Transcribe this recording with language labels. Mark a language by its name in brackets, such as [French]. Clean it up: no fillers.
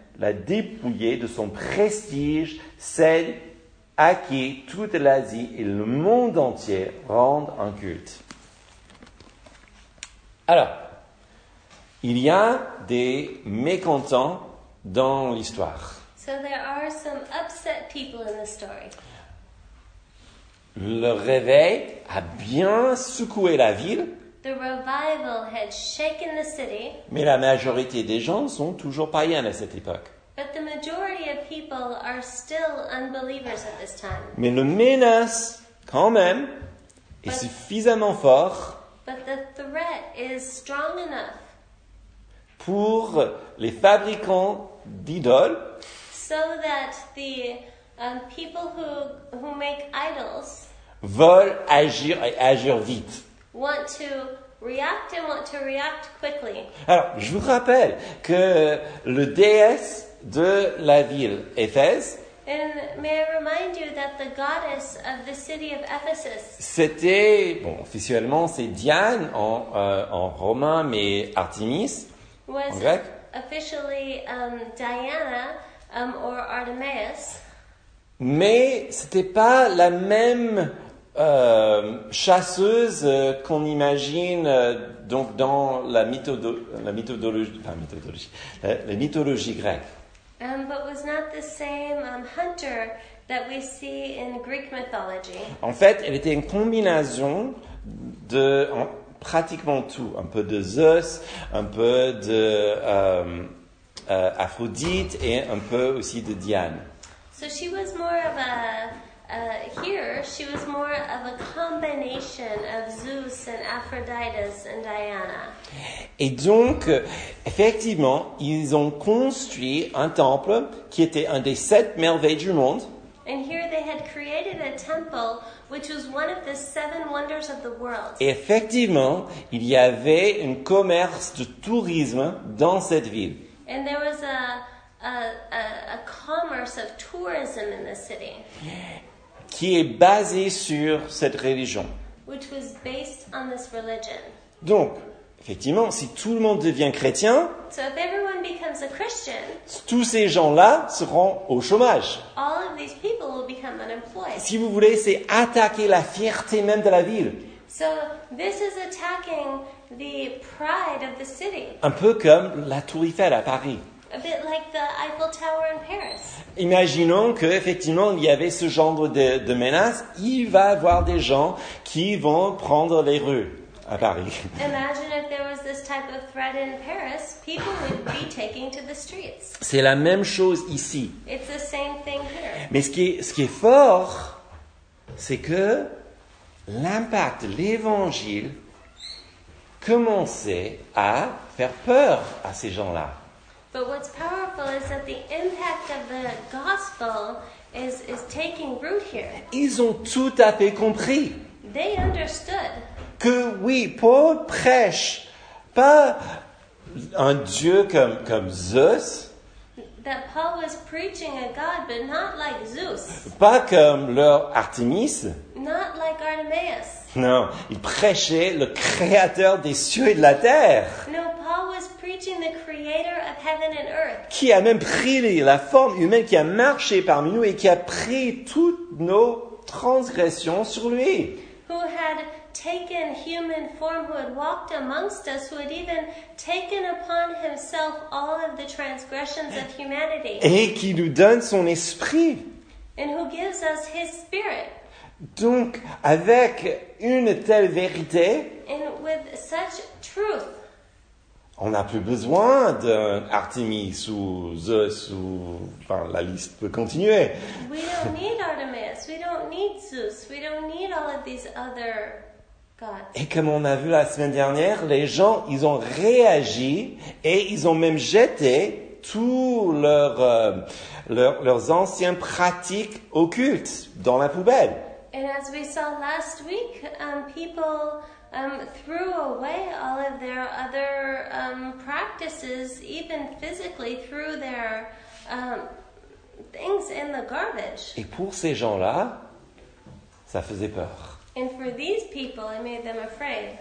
[French] l'a dépouillé de son prestige, celle à qui toute l'Asie et le monde entier rendent un culte. Alors, il y a des mécontents dans l'histoire. [English] So there are some upset people in the story. [French] Le réveil a bien secoué la ville. [English] The revival had shaken the city. [French] Mais la majorité des gens sont toujours païens à cette époque. [English] But the majority of people are still unbelievers at this time. [French] Mais le menace, quand même, est suffisamment fort. [English] But the threat is strong enough. [French] Pour les fabricants d'idoles. [English] So that the people who make idols [French] veulent agir et agir vite. [English] Want to react and want to react quickly. [French] Alors, je vous rappelle que le DS de la ville Éphèse. [English] And may I remind you that the goddess of the city of Ephesus. [French] C'était, bon, officiellement c'est Diane en romain, mais Artemis en grec. [English] Was officially Diana or Artemis. [French] Mais c'était pas la même chasseuse qu'on imagine donc dans la mythologie grecque. [English] But was not the same hunter that we see in Greek mythology. [French] En fait, elle était une combinaison de pratiquement tout, un peu de Zeus, un peu de Aphrodite et un peu aussi de Diane. [English] So she was more of a she was more of a combination of Zeus and Aphrodite and Diana. [French] Et donc, effectivement, ils ont construit un temple qui était un des sept merveilles du monde. [English] And here they had created a temple which was one of the seven wonders of the world. [French] Et effectivement, il y avait un commerce de tourisme dans cette ville. [English] And there was a commerce of tourism in the city. [French] Qui est basé sur cette religion. [English] Which was based on this religion. [French] Donc, effectivement, si tout le monde devient chrétien, [English] so if everyone becomes a Christian, [French] tous ces gens-là seront au chômage. [English] All of these people will become unemployed. [French] Si vous voulez, c'est attaquer la fierté même de la ville. [English] So this is attacking the pride of the city. [French] Un peu comme la Tour Eiffel à Paris. [English] A bit like the Eiffel Tower in Paris. [French] Imaginons que effectivement il y avait ce genre de menace, il va avoir des gens qui vont prendre les rues à Paris. [English] Imagine if there was this type of threat in Paris, people would be taking to the streets. [French] C'est la même chose ici. [English] It's the same thing here. [French] Mais ce qui est fort, c'est que l'impact de l'évangile commençait à faire peur à ces gens-là. [English] But what's powerful is that the impact of the gospel is taking root here. [French] Ils ont tout à fait compris. [English] They understood. [French] Que oui, Paul prêche pas un Dieu comme Zeus. [English] That Paul was preaching a God, but not like Zeus. [French] Pas comme leur Artemis. [English] Not like Artemis. [French] Non, il prêchait le créateur des cieux et de la terre. [English] No, Paul was preaching the creator of heaven and earth. [French] Qui a même pris la forme humaine, qui a marché parmi nous et qui a pris toutes nos transgressions sur lui. [English] Who had taken human form, who had walked amongst us, who had even taken upon himself all of the transgressions of humanity. [French] Et qui nous donne son esprit. [English] And who gives us his spirit. [French] Donc, avec une telle vérité, [English] and with such truth, [French] on n'a plus besoin d'Artemis ou Zeus ou... Enfin, la liste peut continuer. [English] We don't need Artemis, we don't need Zeus, we don't need all of these other gods. [French] Et comme on a vu la semaine dernière, les gens, ils ont réagi et ils ont même jeté tous leurs anciennes pratiques occultes dans la poubelle. [English] And as we saw last week, people threw away all of their other practices, even physically, threw their things in the garbage. [French] Et pour ces gens-là, ça faisait peur. [English] And for these people, it made them afraid.